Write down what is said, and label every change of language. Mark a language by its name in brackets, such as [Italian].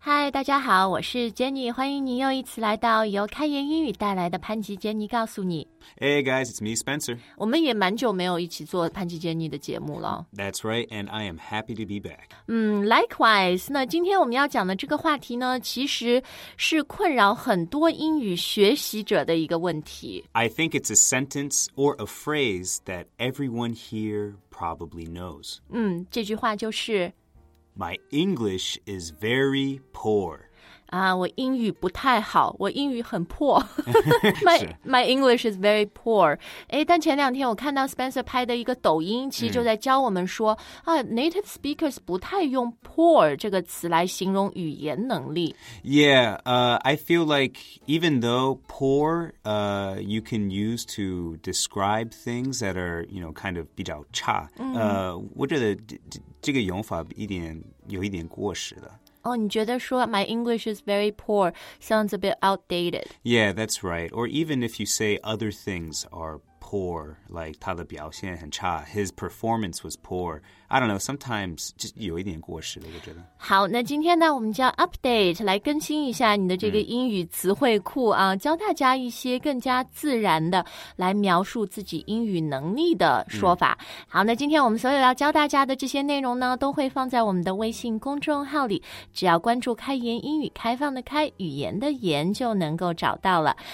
[Chinese] 大家好，我是 Jenny， 欢迎您又一次来到由开言英语带来的潘吉 Jenny 告诉你。 [English] Hey guys, it's me, Spencer. [Chinese] 我们也蛮久没有一起做潘吉 Jenny 的节目了。 [English] That's right, and I am happy to be back. [Chinese] Likewise, 那今天我们要讲的这个话题呢，其实是困扰很多英语学习者的一个问题。 [English] I think it's a sentence or a phrase that everyone here probably knows. [Chinese] 这句话就是 [English] My English is very poor. [Chinese] 我英语不太好，我英语很破。 [English] my English is very poor. [Chinese] 但前两天我看到 Spencer 拍的一个抖音，其实就在教我们说native speakers 不太用 poor 这个词来形容语言能力。 [English] Yeah, I feel like even though poor, you can use to describe things that are, you know, kind of [Chinese] 比较差。我觉得这个用法有一点过时的。你觉得说 [English] my English is very poor sounds a bit outdated. Yeah, that's right. Or even if you say other things are poor, like [Chinese] 他的表现很差, [English] his performance was poor. I don't know, sometimes [Chinese] 就有一点过时的，我觉得。好，那今天呢，我们叫 update 来更新一下你的这个英语词汇库啊，教大家一些更加自然的来描述自己英语能力的说法。好，那今天我们所有要教大家的这些内容呢，都会放在我们的微信公众号里，只要关注开言英语，开放的开，语言的言，就能够找到了。